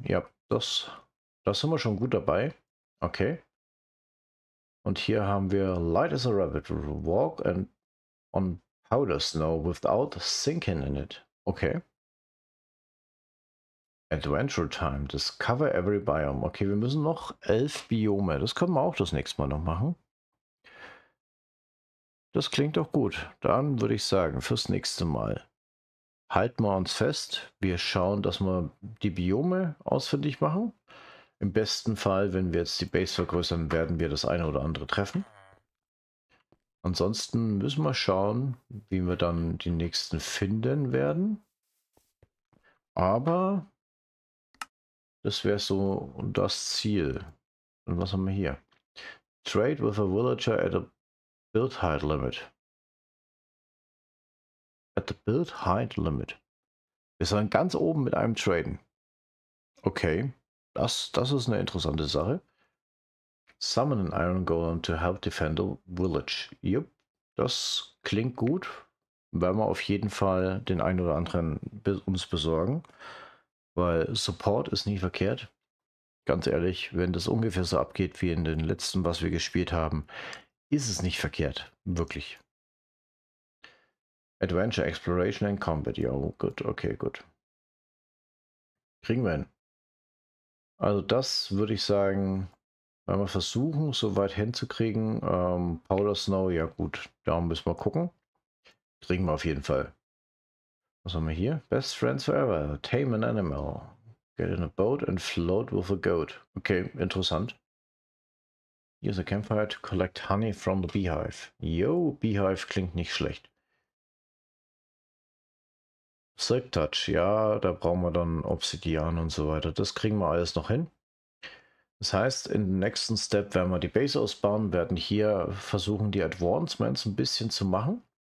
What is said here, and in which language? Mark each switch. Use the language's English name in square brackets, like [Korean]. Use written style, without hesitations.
[German] Ja, das sind wir schon gut dabei. Okay. Und hier haben wir [English] Light as a rabbit. Walk and on powder snow without sinking in it. Okay. Adventure time. Discover every biome. [German] Okay, wir müssen noch 11 Biome. Das können wir auch das nächste Mal noch machen. Das klingt doch gut. Dann würde ich sagen, fürs nächste Mal halten wir uns fest. Wir schauen, dass wir die Biome ausfindig machen. Im besten Fall, wenn wir jetzt die Base vergrößern, werden wir das eine oder andere treffen. Ansonsten müssen wir schauen, wie wir dann die nächsten finden werden. Aber das wäre so das Ziel. Und was haben wir hier? [English] Trade with a villager at a build height limit. At the build height limit. [German] Wir sollen ganz oben mit einem traden. Okay. Das ist eine interessante Sache. [English] Summon an Iron Golem to help defend a village. Yep. [German] Das klingt gut. Werden wir auf jeden Fall den einen oder anderen uns besorgen. Weil Support ist nie verkehrt. Ganz ehrlich, wenn das ungefähr so abgeht wie in den letzten, was wir gespielt haben, ist es nicht verkehrt. [English] Wirklich. Adventure, Exploration and Combat. [German] Ja, gut, okay, gut. Kriegen wir hin. Also das würde ich sagen, wenn wir versuchen, so weit hinzukriegen. Powder Snow, ja gut, da müssen wir gucken. Kriegen wir auf jeden Fall. Was haben wir hier? [English] Best friends forever. Tame an animal. Get in a boat and float with a goat. Okay, interessant. Use a campfire to collect honey from the beehive. [German] Yo, Beehive klingt nicht schlecht. Silk Touch, ja, da brauchen wir dann Obsidian und so weiter. Das kriegen wir alles noch hin. Das heißt, in dem nächsten Step werden wir die Base ausbauen, werden hier versuchen, die Advancements ein bisschen zu machen.